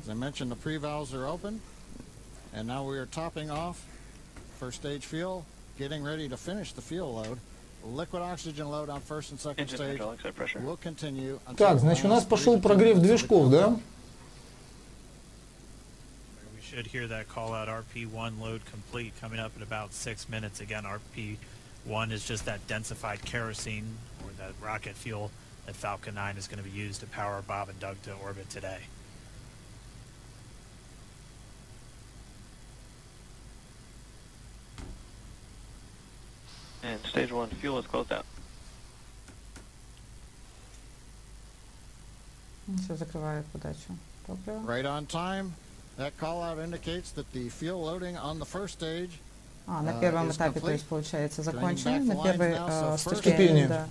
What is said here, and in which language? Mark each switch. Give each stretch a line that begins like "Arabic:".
English: As I mentioned, the pre-valves are open. And now we are topping off first stage fuel, getting ready to finish the fuel load. Liquid oxygen load on first and second engine stage will continue.
Russian: Так, значит, у нас пошел прогрев движков, да?
English: We should hear that call out RP1 load complete coming up in about 6 minutes. Again, RP1 is just that densified kerosene or that rocket fuel that Falcon 9 is going to be used to power Bob and Doug to orbit today. And stage 1 fuel is closed out.
Russian: Все закрывает подачу топлива.
English: Right on time. That call out indicates that the fuel loading on the first stage.
Russian: На первом этапе, то есть получается, закончено на первой ступени.